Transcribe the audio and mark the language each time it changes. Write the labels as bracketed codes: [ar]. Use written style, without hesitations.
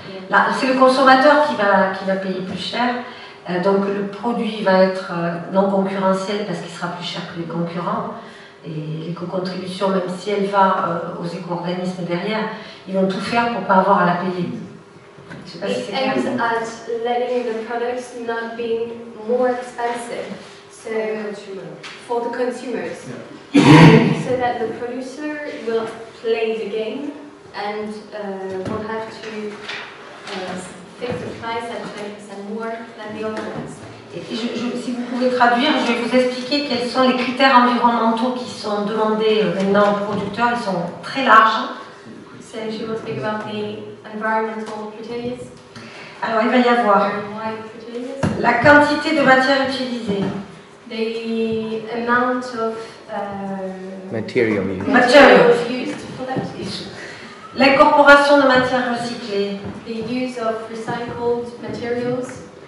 [fr] Là, c'est le consommateur qui va payer plus cher. Donc, le produit va être non concurrentiel parce qu'il sera plus cher que les concurrents. Et l'éco-contribution, même si elle va aux éco-organismes derrière, ils vont tout faire pour ne pas avoir à la payer. Je ne sais pas si c'est clair. [en] It aims at letting the products not being more expensive. For the consumers, yeah. So that the producer will play the game and will have to fix the price at 20% more than the other ones. [fr] Et si vous pouvez traduire, je vais vous expliquer quels sont les critères environnementaux qui sont demandés maintenant aux producteurs. Ils sont très larges. [en] So she will speak about the environmental criteria. [fr] Alors il va y avoir la quantité de matière utilisée. [en] The amount of material used. Materials used for that issue. [fr] L'incorporation de matières recyclées. [en] The use of recycled materials.